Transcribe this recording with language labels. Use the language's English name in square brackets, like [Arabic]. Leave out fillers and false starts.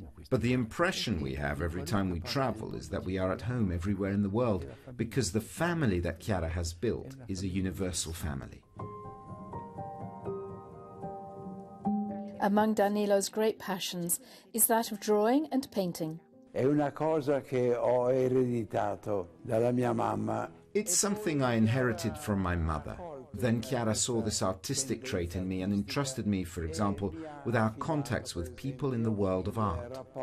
[English] But the impression we have every time we travel is that we are at home everywhere in the world, because the family that Chiara has built is a universal family. Among Danilo's great passions is that of drawing and painting. [Italian] È una cosa che ho ereditato dalla mia mamma. [English] It's something I inherited from my mother. Then Chiara saw this artistic trait in me and entrusted me, for example, with our contacts with people in the world of art.